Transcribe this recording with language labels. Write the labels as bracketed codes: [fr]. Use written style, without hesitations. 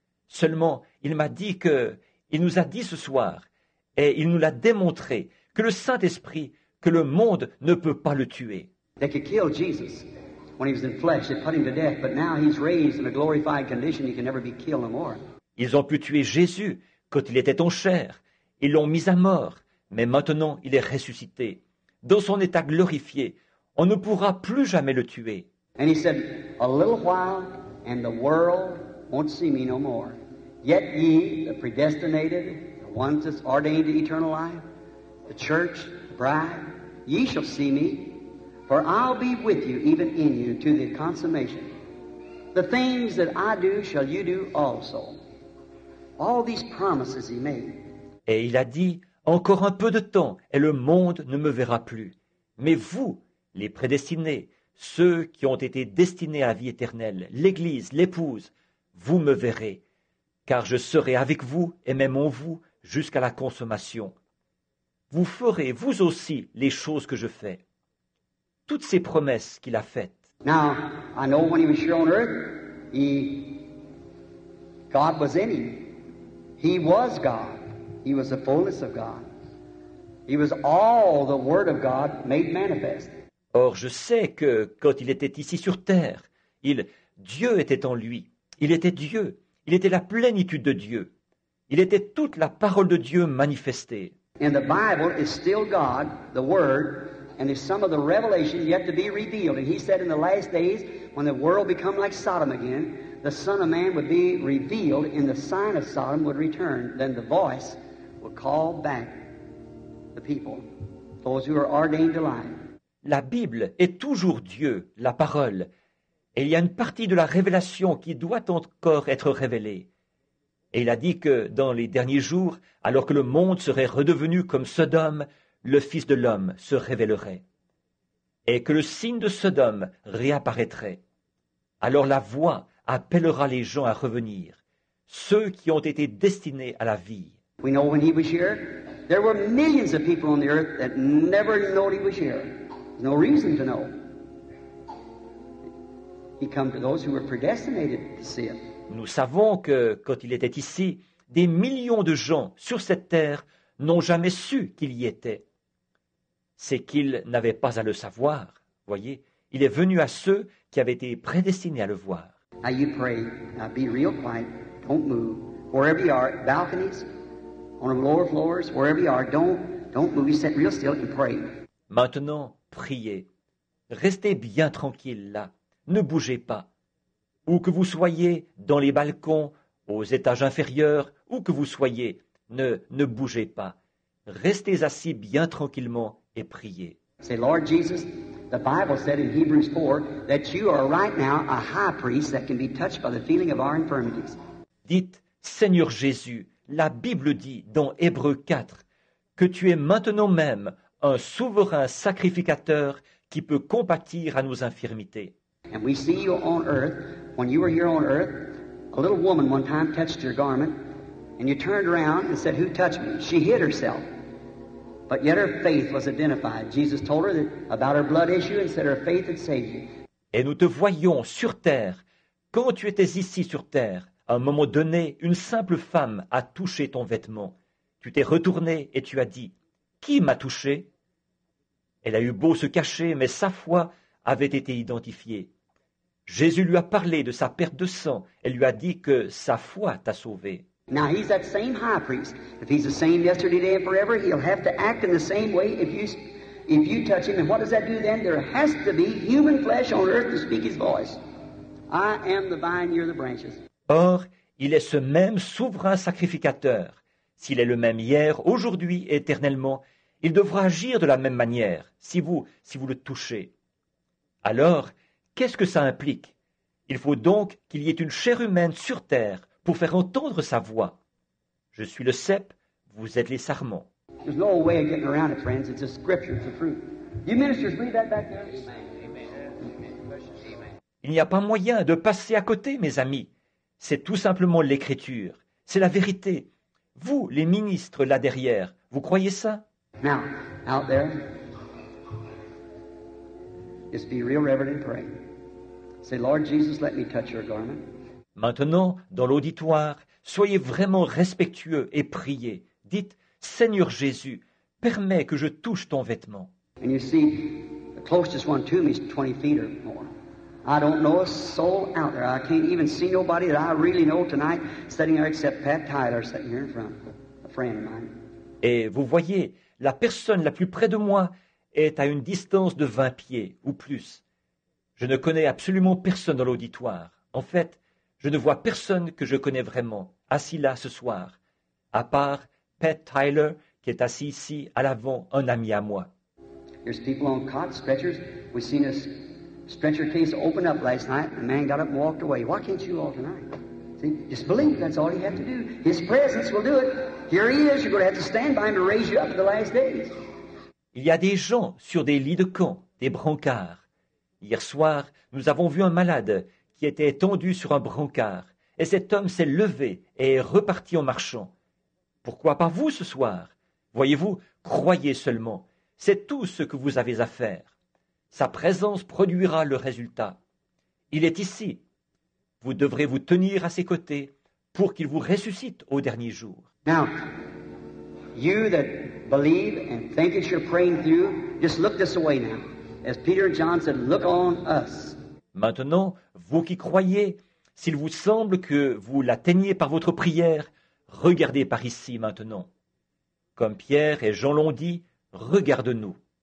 [fr] Seulement, il nous a dit ce soir, et il nous l'a démontré, que le Saint-Esprit, que le monde ne peut pas le tuer. [en] They could kill Jesus when he was in flesh, they put him to death, but now he's raised in a glorified condition, he can never be killed no more. [fr] Ils ont pu tuer Jésus quand il était en chair. Ils l'ont mis à mort, mais maintenant il est ressuscité. Dans son état glorifié, on ne pourra plus jamais le tuer. [en] And he said, a little while and the world won't see me no more. Yet ye, the predestinated, the ones that's ordained to eternal life, the church, the bride, ye shall see me. For I'll be with you, even in you, to the consummation. The things that I do, shall you do also. All these promises he made. [fr] Et il a dit, encore un peu de temps, et le monde ne me verra plus. Mais vous, les prédestinés, ceux qui ont été destinés à la vie éternelle, l'Église, l'Épouse, vous me verrez, car je serai avec vous et même en vous jusqu'à la consommation. Vous ferez, vous aussi, les choses que je fais. Toutes ces promesses qu'il a faites. [en] Now, I know when he was here on earth, God was in him. He was God. He was the fullness of God. He was all the Word of God made manifest. [fr] Or, je sais que quand il était ici sur terre, Dieu était en lui. Il était Dieu. Il était la plénitude de Dieu. Il était toute la parole de Dieu manifestée. [en] And the Bible is still God, the Word. And there's some of the revelation yet to be revealed. And he said in the last days, when the world become like Sodom again, the Son of Man would be revealed, and the sign of Sodom would return. Then the voice would call back the people, those who are ordained to life. [fr] La Bible est toujours Dieu, la parole. Et il y a une partie de la révélation qui doit encore être révélée. Et il a dit que dans les derniers jours, alors que le monde serait redevenu comme Sodome, le Fils de l'homme se révélerait, et que le signe de Sodome réapparaîtrait. Alors la voix appellera les gens à revenir, ceux qui ont été destinés à la vie. [en] We know when he was here, there were millions of people on the earth that never knew he was here. No reason to know. He came to those who were predestinated to see him. [fr] Nous savons que quand il était ici, des millions de gens sur cette terre n'ont jamais su qu'il y était. C'est qu'il n'avait pas à le savoir. Voyez, il est venu à ceux qui avaient été prédestinés à le voir. [en] Now you pray, now be real quiet, don't move. Wherever you are, balconies, on the lower floors, wherever you are, don't move, you sit real still and pray. [fr] Maintenant, priez. Restez bien tranquille là, ne bougez pas. Où que vous soyez, dans les balcons, aux étages inférieurs, où que vous soyez, ne bougez pas. Restez assis bien tranquillement et priez. [en] Say, Lord Jesus, the Bible said in Hebrews 4 that you are right now a high priest that can be touched by the feeling of our infirmities. [fr] Dites, Seigneur Jésus, la Bible dit dans Hébreux 4 que tu es maintenant même un souverain sacrificateur qui peut compatir à nos infirmités. [en] And we see you on earth, when you were here on earth, a little woman one time touched your garment. And you turned around and said, who touched me? She hid herself. But yet her faith was identified. Jesus told her that, about her blood issue and said her faith had saved you. [fr] Et nous te voyons sur terre. Quand tu étais ici sur terre, à un moment donné, une simple femme a touché ton vêtement. Tu t'es retourné et tu as dit, qui m'a touché? Elle a eu beau se cacher, mais sa foi avait été identifiée. Jésus lui a parlé de sa perte de sang. Elle lui a dit que sa foi t'a sauvé. [en] Now he's that same high priest. If he's the same yesterday, today, and forever, he'll have to act in the same way if you touch him. And what does that do then? There has to be human flesh on earth to speak his voice. I am the vine, you're the branches. [fr] Or, il est ce même souverain sacrificateur. S'il est le même hier, aujourd'hui, éternellement, il devra agir de la même manière si vous le touchez. Alors, qu'est-ce que ça implique? Il faut donc qu'il y ait une chair humaine sur terre pour faire entendre sa voix. Je suis le cep, vous êtes les sarments. [en] There's no way of getting around it, friends. It's a scripture, it's a truth. You ministers, read that back there. Amen. Amen. Amen. [fr] Il n'y a pas moyen de passer à côté, mes amis. C'est tout simplement l'Écriture. C'est la vérité. Vous, les ministres là derrière, vous croyez ça? [en] Now, out there, just be real reverent and pray. Say, Lord Jesus, let me touch your garment. [fr] Maintenant, dans l'auditoire, soyez vraiment respectueux et priez. Dites, Seigneur Jésus, permets que je touche ton vêtement. [en] And you see, the closest one to me is 20 feet or more. I don't know a soul out there. I can't even see nobody that I really know tonight sitting there except Pat Tyler sitting here in front, a friend of mine. [fr] Et vous voyez, la personne la plus près de moi est à une distance de 20 pieds ou plus. Je ne connais absolument personne dans l'auditoire. En fait, je ne vois personne que je connais vraiment assis là ce soir, à part Pat Tyler qui est assis ici à l'avant, un ami à moi. [en] There's people on cots, stretchers. We've seen a stretcher case open up last night. A man got up and walked away. Why can't you all tonight? See, just believe. That's all you have to do. His presence will do it. Here he is. You're going to have to stand by him to raise you up in the last days. [fr] Il y a des gens sur des lits de camp, des brancards. Hier soir, nous avons vu un malade qui était étendu sur un brancard. Et cet homme s'est levé et est reparti en marchant. Pourquoi pas vous ce soir? Voyez-vous, croyez seulement. C'est tout ce que vous avez à faire. Sa présence produira le résultat. Il est ici. Vous devrez vous tenir à ses côtés pour qu'il vous ressuscite au dernier jour. [en] Now, you that believe and think as you're praying through, just look this way now. As Peter and John said, look on us. [fr] Maintenant, vous qui croyez, s'il vous semble que vous l'atteignez par votre prière, regardez par ici maintenant. Comme Pierre et Jean l'ont dit, regarde-nous.